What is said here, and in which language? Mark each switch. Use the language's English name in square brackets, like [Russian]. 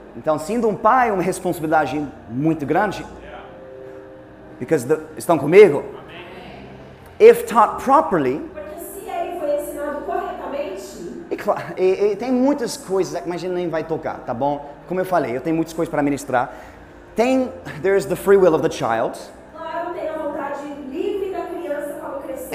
[Portuguese] então, sendo um pai, uma responsabilidade muito grande. Yeah. [English] Because the, [Portuguese] estão comigo? [English] If taught properly, [Portuguese] porque se ele foi ensinado corretamente, tem muitas coisas que a gente nem vai tocar, tá bom? Como eu falei, eu tenho muitas coisas para ministrar. [English] Tem, there's the free will of the child. [Portuguese] Claro, tem a vontade livre da criança para crescer.